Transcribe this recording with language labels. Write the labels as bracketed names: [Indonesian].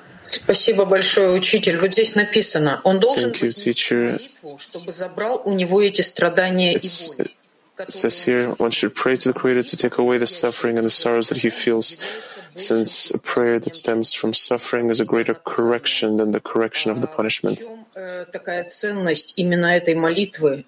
[Russian] Спасибо большое, учитель. Вот здесь написано, он должен быть молитву, чтобы забрал у него эти страдания и боли. [English] It says here, one should pray to the Creator to take away the suffering and the sorrows that he feels, since a prayer that stems from suffering is a greater correction than the correction of the punishment. [Russian] Такая ценность именно этой молитвы?